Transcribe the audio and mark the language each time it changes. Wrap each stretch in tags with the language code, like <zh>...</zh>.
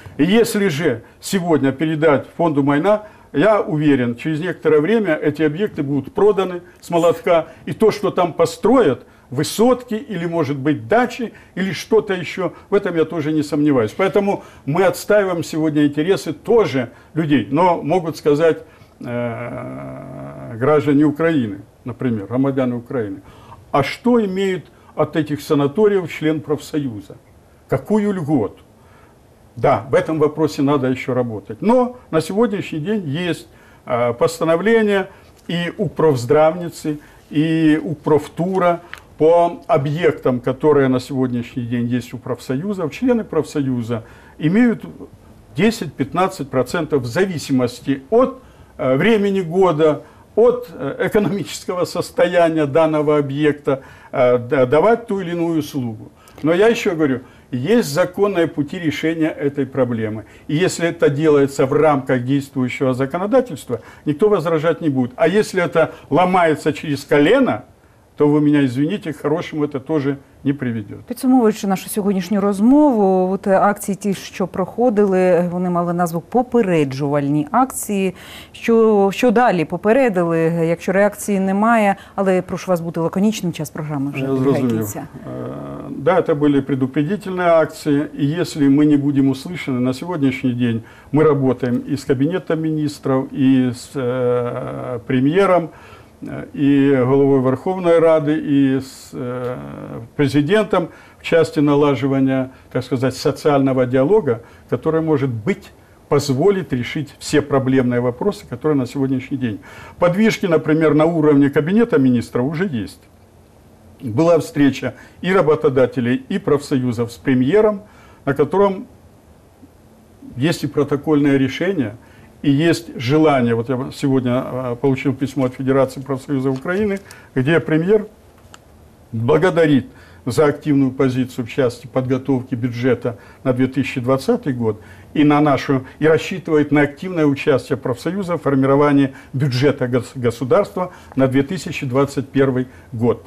<ru>И если же сегодня передать фонду «Майна», я уверен, через некоторое время эти объекты будут проданы с молотка, и то, что там построят, высотки или, может быть, дачи, или что-то еще, в этом я тоже не сомневаюсь. Поэтому мы отстаиваем сегодня интересы тоже людей, но могут сказать граждане Украины. например,</ru> <uk>громадяни України. А що мають от</uk> <ru>этих</ru> <uk>санаторіїв</uk> <ru>член профсоюза? Какую льготу? Да, в этом вопросе надо еще работать. Но на сегодняшний день есть постановление и у профздравницы, и у профтура по объектам, которые на сегодняшний день есть у профсоюзов. Члены профсоюза имеют 10-15% в зависимости от времени года, от экономического состояния данного объекта давать ту или иную услугу. Но я еще говорю, есть законные пути решения этой проблемы. И если это делается в рамках действующего законодательства, никто возражать не будет. А если это ломается через колено, то вы меня извините, к хорошему это тоже не приведет.</ru> <uk>Підсумовуючи нашу сьогоднішню розмову, от акції ті, що проходили, вони мали назву попереджувальні акції. Що далі? Попередили, якщо реакції немає, але прошу вас бути лаконічним, час програми вже зрозумів. Да, це були предупредительні акції. І якщо ми не будемо услышаны, на сьогоднішній день ми працюємо і з кабінетом міністрів, і з прем'єром,</uk> <ru>и головой Верховной Рады, и с президентом в части налаживания, так сказать, социального диалога, который, может быть, позволит решить все проблемные вопросы, которые на сегодняшний день. Подвижки, например, на уровне кабинета министра уже есть. Была встреча и работодателей, и профсоюзов с премьером, на котором есть и протокольное решение. И есть желание, вот я сегодня получил письмо от Федерации профсоюза Украины, где премьер благодарит за активную позицию в части подготовки бюджета на 2020 год и на нашу, и рассчитывает на активное участие профсоюза в формировании бюджета государства на 2021 год.</ru>